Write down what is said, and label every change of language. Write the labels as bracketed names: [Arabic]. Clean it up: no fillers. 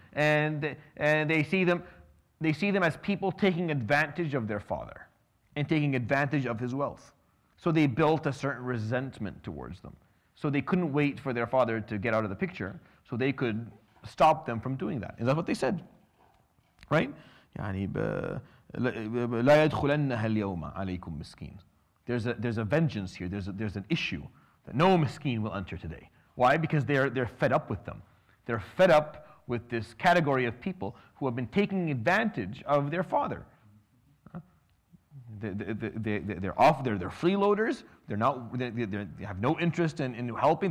[English] And they see them as people taking advantage of their father and taking advantage of his wealth. So they built a certain resentment towards them. So they couldn't wait for their father to get out of the picture so they could stop them from doing that. Is that what they said? Right? [Arabic] يعني لا يدخلنها اليوم عليكم مسكين. [English] There's a vengeance here. There's an issue that no miskeen will enter today. Why? Because they're fed up with them. They're fed up with this category of people who have been taking advantage of their father. They're freeloaders. They have no interest in helping.